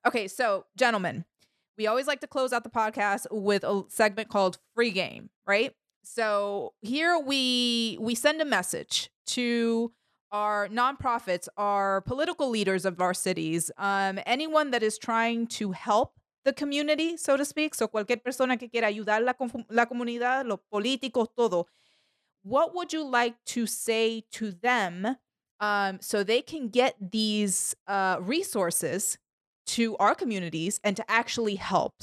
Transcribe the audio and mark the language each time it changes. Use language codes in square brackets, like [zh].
[en] Okay, so gentlemen, we always like to close out the podcast with a segment called Free Game, right? So here we send a message to our nonprofits, our political leaders of our cities, anyone that is trying to help the community, so to speak. [es] So cualquier persona que quiera ayudar la comunidad, los políticos, todo. [en] What would you like to say to them so they can get these resources to our communities and to actually help?